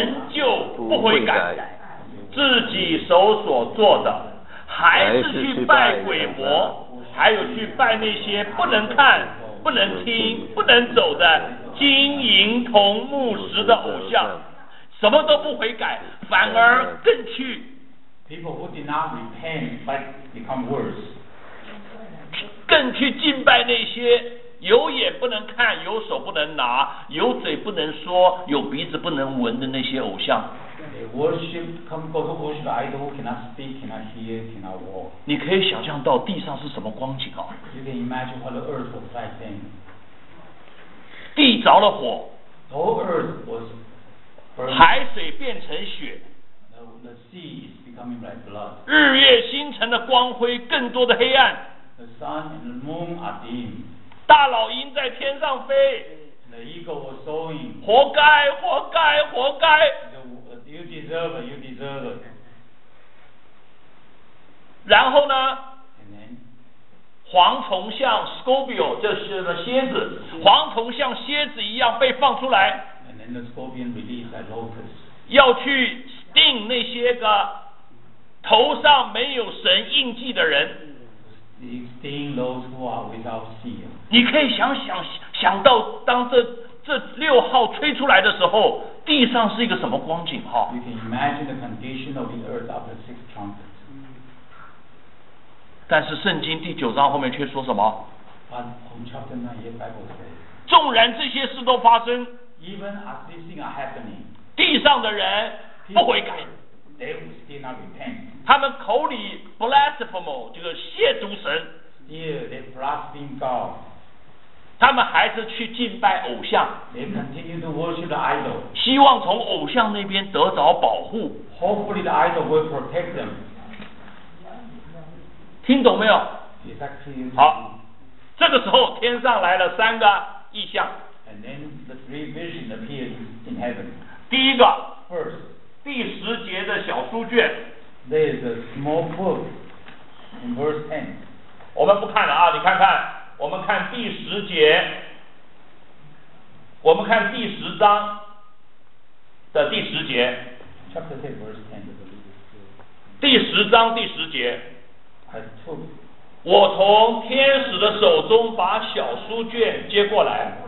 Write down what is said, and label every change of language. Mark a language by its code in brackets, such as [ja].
[zh] 旧不悔改，自己手所做的还是去拜鬼魔，还有去拜那些不能看不能听不能走的金银铜木石的偶像，什么都不悔改，反而更去。 [en] People who did not repent but become worse. [zh] 更去敬拜那些有眼不能看有手不能拿有嘴不能说有鼻子不能闻的那些偶像。 [en] They worship, come go to worship the idol who cannot speak, cannot hear, cannot walk. [zh] 你可以想象到地上是什么光景啊。 [en] You can imagine what the earth was like then. [zh] 地着了火， [en] the whole earth was burning. [zh] 海水变成雪， [en] the sea is becoming like blood. [zh] 日月星辰的光辉更多的黑暗， [en] The sun and the moon are dim. [zh] 大老鹰在天上飞。 [en] The eagle was soaring. [zh] 活该，活该，活该。 [en] You deserve it. You deserve it. [zh] 然后呢？ [en] And then, [zh] 蝗虫像 scorpio， 就是蝎子。蝗虫像蝎子一样被放出来。 [en] And then the scorpion released like locusts. [zh] 要去 sting 那些个头上没有神印记的人。 [en] Those who are without seal. [zh] 你可以想想想到当这六号吹出来的时候，地上是一个什么光景哈？ [en] You can imagine the condition of the earth after six trumpets. [zh] 但是圣经第九章后面却说什么？ [en] But from chapter 9, the Bible says. [zh] 纵然这些事都发生， [en] even as these things are happening, [zh] 地上的人不悔改。 [en] They will still not repent. [zh] 他们口里 blasphemous 就是亵渎神。 [en] Still, they blaspheme God. [zh] 他们还是去敬拜偶像。 [en] They continue to worship the idol. [zh] 希望从偶像那边得着保护。 [en] Hopefully, the idol will protect them. [zh] 听懂没有？ [en] Exactly. [zh] 好，这个时候天上来了三个异象。 [en] And then the three visions appeared in heaven. [zh] 第一个。 [en] First. [zh] 第十节的小书卷。 [en] There is a small book in verse ten. [zh] 我们不看了啊，你看看，我们看第十节，我们看第十章的第十节。 [en] Chapter ten, verse ten. [zh] 第十章第十节。 [en] I took. [zh] 我从天使的手中把小书卷接过来。